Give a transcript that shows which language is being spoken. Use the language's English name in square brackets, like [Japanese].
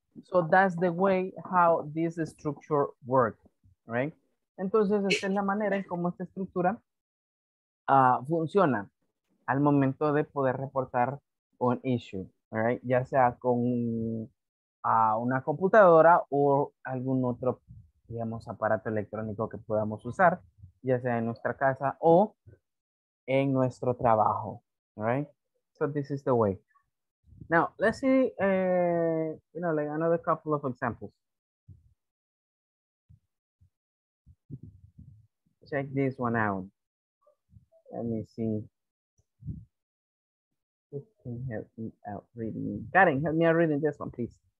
[English] So that's the way how this structure works. Right? [Spanish] Entonces, esta es la manera en cómo esta estructura funciona al momento de poder reportar un issue. [English] All right, [Spanish] ya sea con una computadora o algún otro, digamos, aparato electrónico que podamos usar, ya sea en nuestra casa o en nuestro trabajo. [English] All right, so this is the way. Now, let's see, you know, like another couple of examples. Check this one out. Let me see. Can help me out reading. Karen, help me out reading this one, please.